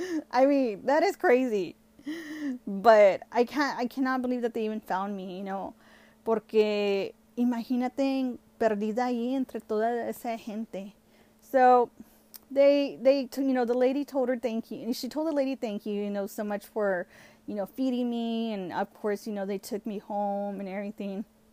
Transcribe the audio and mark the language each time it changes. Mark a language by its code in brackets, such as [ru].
[en] I mean, that is crazy. But I cannot believe that they even found me, you know. [es] Porque imagínate perdida ahí entre toda esa gente. [en] So they you know, the lady told her thank you. And she told the lady thank you, you know, so much for, you know, feeding me. And of course, you know, they took me home and everything.